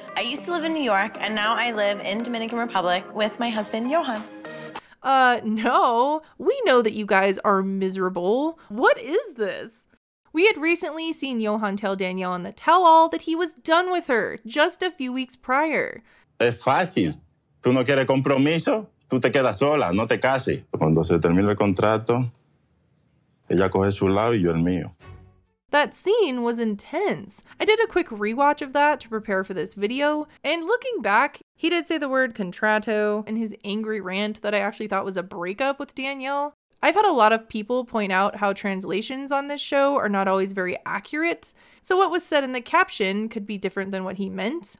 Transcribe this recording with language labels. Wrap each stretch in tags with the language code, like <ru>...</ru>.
<en>I used to live in New York, and now I live in Dominican Republic with my husband, Yohan. No. We know that you guys are miserable. What is this? We had recently seen Yohan tell Danielle in the tell-all that he was done with her just a few weeks prior.</en> <es>Es fácil. Tú no quieres compromiso, tú te quedas sola, no te cases. Cuando se termine el contrato, ella coge su lado y yo el mío.</es> <en>That scene was intense. I did a quick rewatch of that to prepare for this video, and looking back, he did say the word contrato in his angry rant that I actually thought was a breakup with Danielle. I've had a lot of people point out how translations on this show are not always very accurate, so what was said in the caption could be different than what he meant.</en>